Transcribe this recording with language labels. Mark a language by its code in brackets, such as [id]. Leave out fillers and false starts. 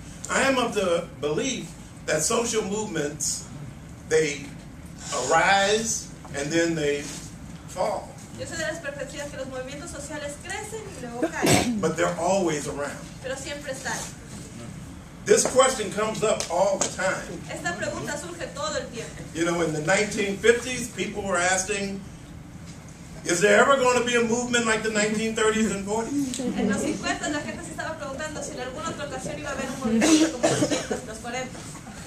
[en] I am of the belief that social movements, they arise and then they fall. [es] Yo soy de las perspectivas que los movimientos sociales crecen y luego caen. [en] But they're always around. [es] Pero siempre están. [en] This question comes up all the time. [es] Esta pregunta surge todo el tiempo. [en] You know, in the 1950s, people were asking, is there ever going to be a movement like the 1930s and 40s? [es] En los 50s, la gente se estaba preguntando si en alguna otra ocasión iba a haber un movimiento como los 40s.